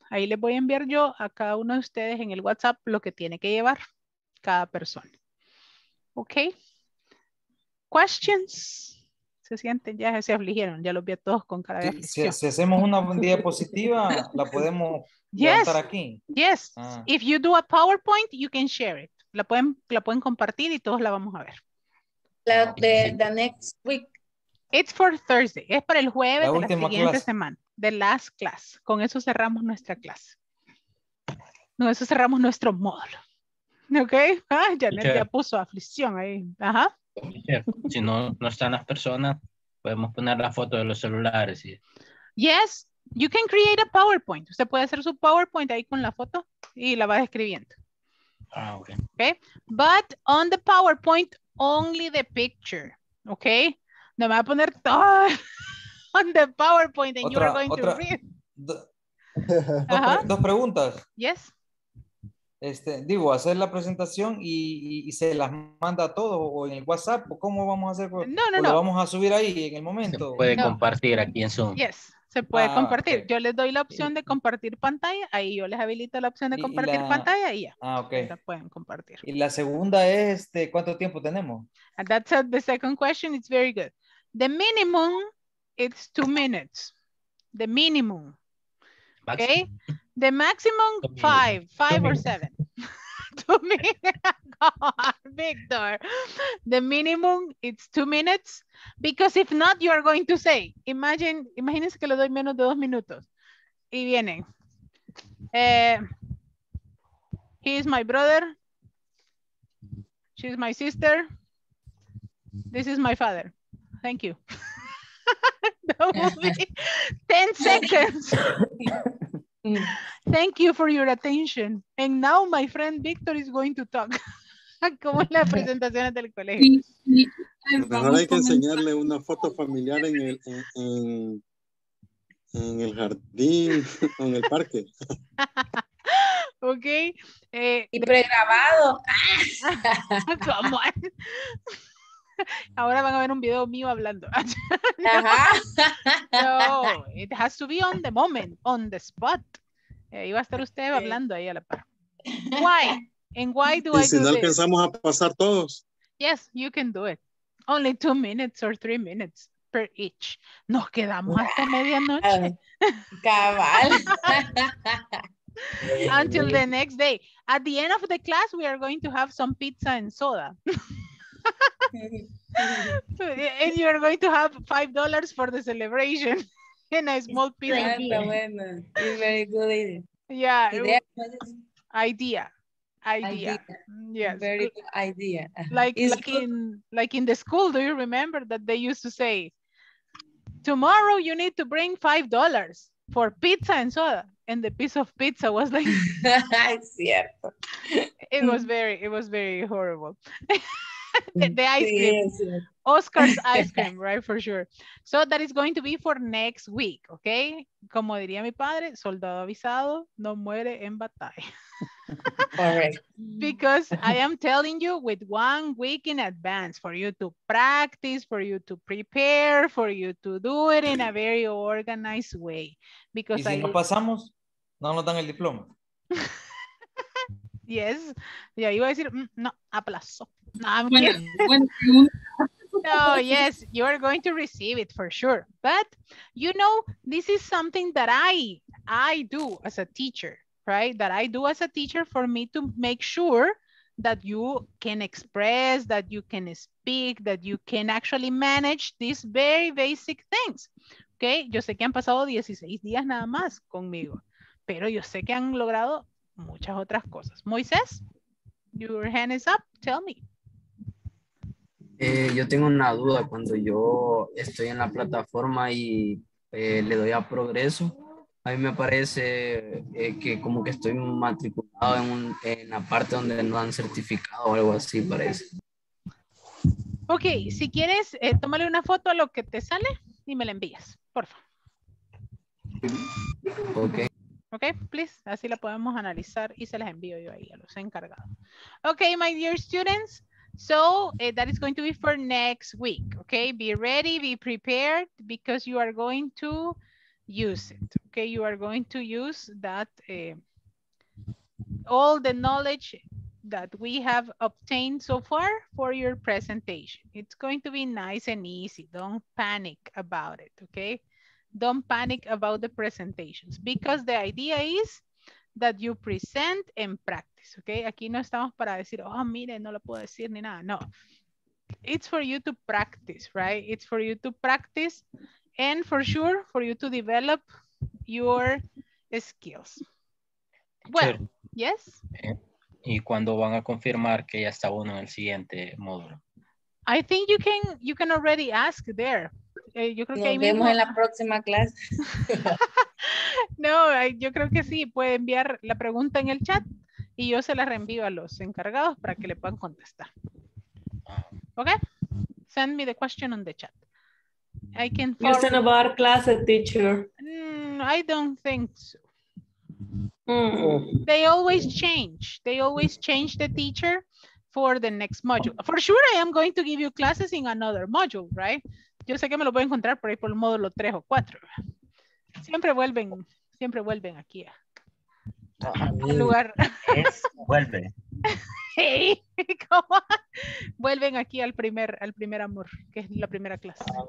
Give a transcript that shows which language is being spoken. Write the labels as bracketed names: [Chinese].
[Spanish] Ahí les voy a enviar yo a cada uno de ustedes en el WhatsApp lo que tiene que llevar cada persona. Okay. [English] Questions? [Spanish] Se sienten, ya se afligieron, ya los vi a todos con cara de aflicción. Si hacemos una diapositiva, la podemos levantar aquí. [English] Yes, if you do a PowerPoint, you can share it. [Spanish] La pueden compartir y todos la vamos a ver. [English] The next week. It's for Thursday, [Spanish] es para el jueves la de la siguiente clase. Semana. [English] The last class. [Spanish] Con eso cerramos nuestra clase. Con eso cerramos nuestro módulo. Ok, Janet ya puso aflicción ahí. Ajá. Si no están las personas, podemos poner la foto de los celulares. Y... [English] Yes, you can create a PowerPoint. [Spanish] Usted puede hacer su PowerPoint ahí con la foto y la va describiendo. Ah, okay. [English] Okay. But on the PowerPoint, only the picture. Okay. [Spanish] No me va a poner todo [English] on the PowerPoint and you are going to read. [Spanish] Dos preguntas. [English] Yes. [Spanish] Digo, hacer la presentación y se las manda a todos o en el WhatsApp, ¿cómo vamos a hacer? No. ¿Lo vamos a subir ahí en el momento? Se puede compartir aquí en Zoom. Yes, se puede compartir. Okay. Yo les doy la opción de compartir pantalla, ahí yo les habilito la opción de compartir pantalla y ya. Ah, ok. Se pueden compartir. Y la segunda es, ¿cuánto tiempo tenemos? [English] And that's the second question, it's very good. The minimum, it's 2 minutes. The minimum. Okay. The maximum five or seven. 2 minutes, Victor. The minimum it's 2 minutes because if not, you are going to say, [Spanish] imagínense que le doy menos de 2 minutos y vienen. [English] He is my brother. She is my sister. This is my father. Thank you. That will be 10 seconds. Thank you for your attention. And now my friend Victor is going to talk. [Spanish] Como en las presentaciones del colegio. Ahora hay que enseñarle una foto familiar en el en el jardín, en el parque. Ok. Y pregrabado. ¿Cómo? Ahora van a ver un video mío hablando. No, [English] it has to be on the moment, on the spot. [Spanish] Iba a estar usted hablando ahí a la par. [English] Why? And why do [Spanish] y [English] I [Spanish] si [English] do [Spanish] no alcanzamos a pasar todos. [English] Yes, you can do it. Only 2 minutes or 3 minutes per each. [Spanish] Nos quedamos hasta medianoche. Cabal. [English] Until the next day. At the end of the class, we are going to have some pizza and soda. And you are going to have $5 for the celebration. In a small pizza. Bueno, it's very good idea. Yeah. Idea. Yes. Very good idea. Like in the school, do you remember that they used to say, tomorrow you need to bring $5 for pizza and soda? and the piece of pizza was like. [Spanish] Es cierto. [English] It was very horrible. the ice cream. Yes, yes. Oscar's ice cream, right? For sure. So that is going to be for next week, okay? [Spanish] Como diría mi padre, soldado avisado no muere en batalla. [English] All right. Because I am telling you with 1 week in advance for you to practice, for you to prepare, for you to do it in a very organized way. Because [Spanish] ¿y si no pasamos, no nos dan el diploma? [English] Yes. Yeah, [Spanish] iba a decir, no, aplazo. [English] No, I'm kidding. No, yes, you are going to receive it for sure. But, you know, this is something that I do as a teacher. Right, that I do as a teacher for me to make sure that you can express, that you can speak, that you can actually manage these very basic things. [Spanish] Okay, yo sé que han pasado 16 días nada más conmigo, pero yo sé que han logrado muchas otras cosas. [English] Moisés, your hand is up, tell me. [Spanish] Yo tengo una duda cuando yo estoy en la plataforma y le doy a progreso. A mí me parece que como que estoy matriculado en la parte donde no han certificado o algo así, parece. Ok, si quieres, tómale una foto a lo que te sale y me la envías, por favor. Ok. Ok, [English] please, [Spanish] así la podemos analizar y se las envío yo ahí a los encargados. [English] Ok, my dear students. So that is going to be for next week, ok? Be ready, be prepared, because you are going to use it. Okay, you are going to use that all the knowledge that we have obtained so far for your presentation. It's going to be nice and easy. Don't panic about it, okay? Don't panic about the presentations, because the idea is that you present and practice, okay? [Spanish] Aquí no estamos para decir, oh, mire, no lo puedo decir ni nada. [English] No, it's for you to practice, right? It's for you to practice and for sure for you to develop your skills. Well, sure. Yes. [Spanish] ¿Y cuándo van a confirmar que ya está uno en el siguiente módulo? [English] I think you can already ask there. [Spanish] Yo creo nos que ahí vemos en la próxima clase. No, yo creo que sí, puede enviar la pregunta en el chat y yo se la reenvío a los encargados para que le puedan contestar. [English] Okay? Send me the question on the chat. I can follow. Just in about class, a teacher. I don't think so. They always change. They always change the teacher for the next module. For sure, I am going to give you classes in another module, right? [Spanish] Yo sé que me lo voy a encontrar por ahí por el módulo 3 o 4. Siempre vuelven aquí. A un lugar. Vuelve. Hey, ¿cómo? Vuelven aquí al primer amor, que es la primera clase.